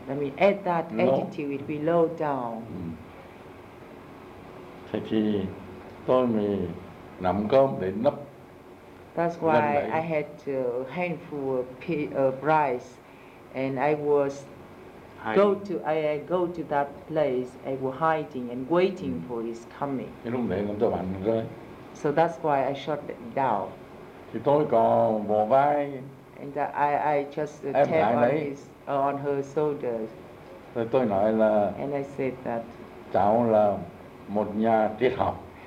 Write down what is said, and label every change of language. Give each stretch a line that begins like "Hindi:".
English: I mean, at that altitude, it will low down.
Vietnamese: Thế thì tôi mới nắm cơm để nấp.
English: That's why I had a handful of rice, and I was go to that place. I was hiding and waiting for his coming.
Vietnamese: Cái lúc đấy tôi bắn rơi.
English: So that's why I shot it down.
Vietnamese: Thì tôi có vỗ vai.
English: And I just tap on his on her shoulders.
Vietnamese: Rồi tôi nói là.
English: And I said that.
Vietnamese: Cháu là một nhà triết học.